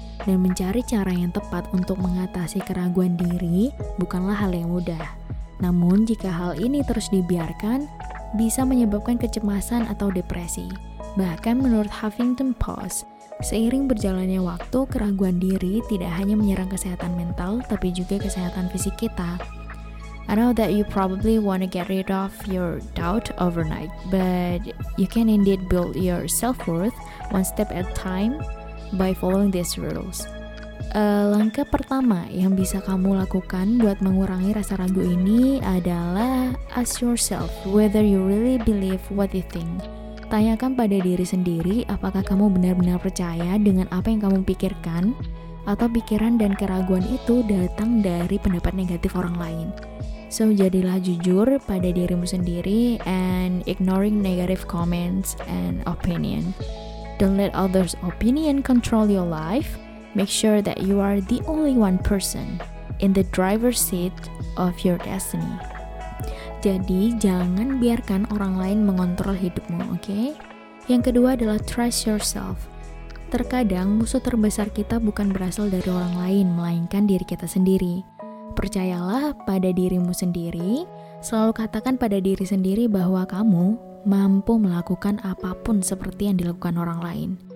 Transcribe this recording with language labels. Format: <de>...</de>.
<id>Dan mencari cara yang tepat untuk mengatasi keraguan diri bukanlah hal yang mudah. Namun, jika hal ini terus dibiarkan, bisa menyebabkan kecemasan atau depresi. Bahkan menurut Huffington Post, seiring berjalannya waktu, keraguan diri tidak hanya menyerang kesehatan mental, tapi juga kesehatan fisik kita.</id> <en>I know that you probably want to get rid of your doubt overnight, but you can indeed build your self-worth one step at a time by following these rules.</en> <id>Langkah pertama yang bisa kamu lakukan buat mengurangi rasa ragu ini adalah</id> <en>ask yourself whether you really believe what you think.</en> <id>Tanyakan pada diri sendiri apakah kamu benar-benar percaya dengan apa yang kamu pikirkan, atau pikiran dan keraguan itu datang dari pendapat negatif orang lain.</id> <en>So,</en> <id>jadilah jujur pada dirimu sendiri</id> <en>and ignoring negative comments and opinion. Don't let others' opinion control your life. Make sure that you are the only one person in the driver's seat of your destiny.</en> <id>Jadi, jangan biarkan orang lain mengontrol hidupmu, okay? Yang kedua adalah</id> <en>trust yourself.</en> <id>Terkadang, musuh terbesar kita bukan berasal dari orang lain, melainkan diri kita sendiri. Percayalah pada dirimu sendiri, selalu katakan pada diri sendiri bahwa kamu mampu melakukan apapun seperti yang dilakukan orang lain.</id>